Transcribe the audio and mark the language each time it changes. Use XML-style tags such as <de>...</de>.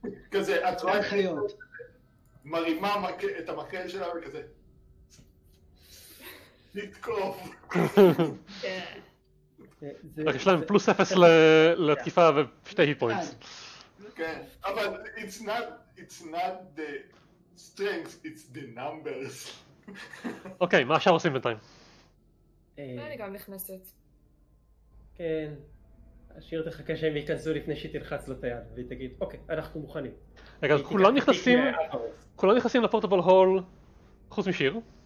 <he>כזה, את רואה איך להיות. מרימה את המקל שלה וכזה. לתקוף. יש להם פלוס אפס לתקיפה ושתי היט פוינטס. כן, אבל</he> <en>it's not, it's not the strength, it's the numbers.</en> <he>אוקיי, מה עכשיו עושים בינתיים? אני גם נכנסת. כן, השיר תחכה שהם ייכנסו לפני שהיא תלחץ לו את היד, והיא תגיד, אוקיי, אנחנו מוכנים. רגע, אז כולם נכנסים, כולם נכנסים לפורטבול הול חוץ משיר?</he>